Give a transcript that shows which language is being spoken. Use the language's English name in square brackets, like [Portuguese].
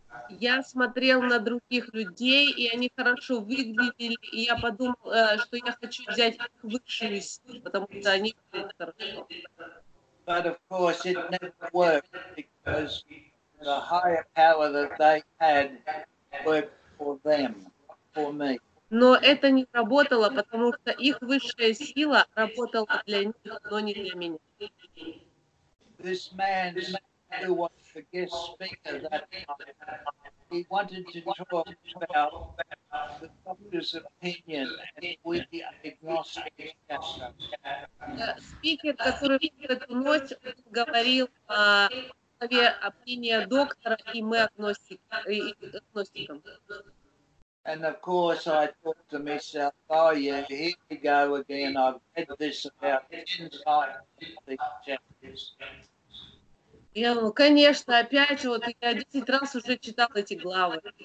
[Russian] Я смотрел на других людей, и они хорошо выглядели, и я подумал, что я хочу взять их высшую силу, потому что они выглядят хорошо. [English] But of course it never worked, because the higher power that they had worked for them, for me. [Russian] Но это не работало, потому что их высшая сила работала для них, но не для меня. [English] This man who was the guest speaker that night, he wanted to talk about the doctor's opinion with the agnostic pastor. [Russian] Спикер, который в эту ночь говорил о основе мнения доктора, и мы агностикам. [English] And of course, I thought to myself, oh yeah, here we go again. I've read this about 10 times in these chapters. [Russian] Я говорю, конечно, опять вот я 10 раз уже читал эти главы.